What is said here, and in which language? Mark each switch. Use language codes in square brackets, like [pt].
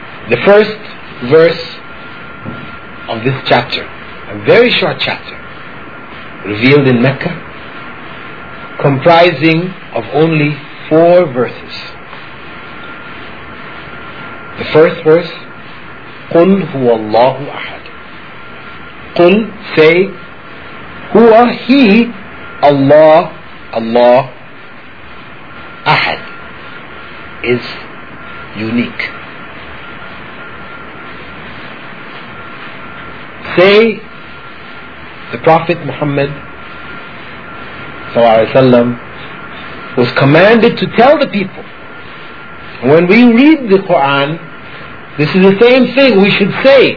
[en] The first verse of this chapter, a very short chapter, revealed in Mecca, comprising of only four verses. The first verse, [ar] قُلْ هُوَ اللَّهُ أَحَدٌ. قُلْ, [en] say, [ar] هُوَ هِي اللَّهُ اللَّهُ أَحَدٌ, [en] is unique. Say, the Prophet Muhammad ﷺ was commanded to tell the people. When we read the Quran, this is the same thing we should say.